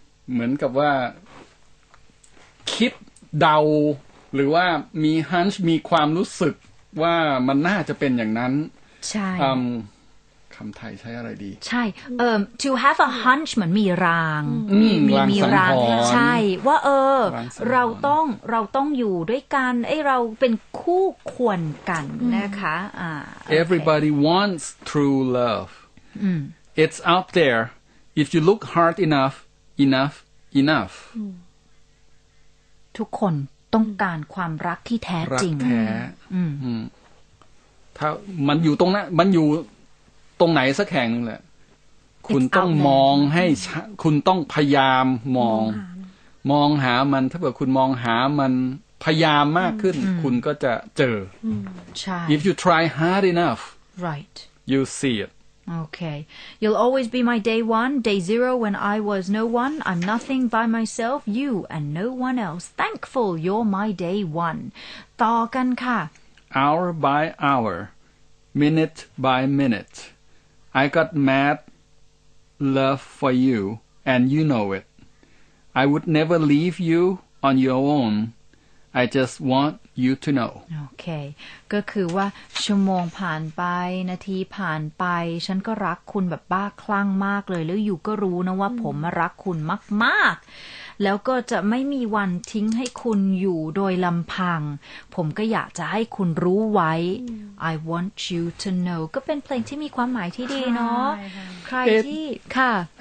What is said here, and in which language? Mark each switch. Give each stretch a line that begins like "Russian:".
Thai: เหมือนกับว่าคิดเดาหรือว่ามี Hunch มีความรู้สึกว่ามันน่าจะเป็นอย่างนั้น ใช่ คำไทยใช้อะไรดี ใช่ to have a hunch เหมือนมีราง มีราง ใช่ว่าเราต้องอยู่ด้วยกันไอ้เราเป็นคู่ควรกันนะคะ
English: Everybody wants true love It's out there If you look hard enough
Thai: ทุกคนต้องการความรักที่แท้จริง รักแท้ถ้ามันอยู่ตรงนั้นมันอยู่ตรงไหนสักแห่งนึงแหละคุณต้องมองให้คุณต้องพยายามมองหามันถ้าเกิดคุณมองหามันพยายามมากขึ้นคุณก็จะเจอ ใช่
English: If you try hard enough right you see it okay you'll always be my day one day zero when I was no one I'm nothing by myself you and no one else thankful you're my day one ต่อกันค่ะ hour by hour minute by minute I got mad love for you and you know it I would never leave you on your own I just wantyou to know
Thai: okay ก็คือว่าชั่วโมงผ่านไปนาทีผ่านไปฉันก็รักคุณแบบบ้าคลั่งมากเลยแล้วอยู่ก็รู้นะว่าผมรักคุณมากๆแล้วก็จะไม่มีวันทิ้งให้คุณอยู่โดยลำพังผมก็อยากจะให้คุณรู้ไว้ I want you to know ก็เป็นเพลงที่มีความหมายที่ดีเนาะใครที่ค่ะ